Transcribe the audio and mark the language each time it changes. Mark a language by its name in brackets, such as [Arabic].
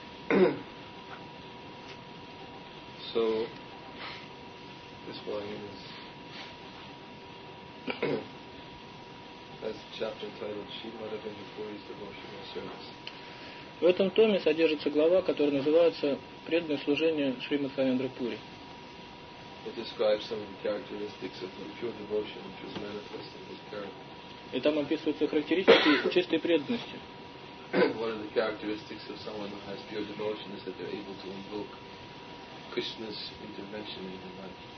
[English] So, this volume is has chapter titled Srimad Abhinipuri's Devotional Service. [Russian] В этом томе содержится глава, которая называется «Преданное служение Шримад Хавендрапури». [English] It describes some characteristics of the pure devotion which is manifest in this character. [Russian] И там описываются характеристики чистой преданности. [English] One of the characteristics of someone who has pure devotion is that they're able to invoke Krishna's intervention in their life.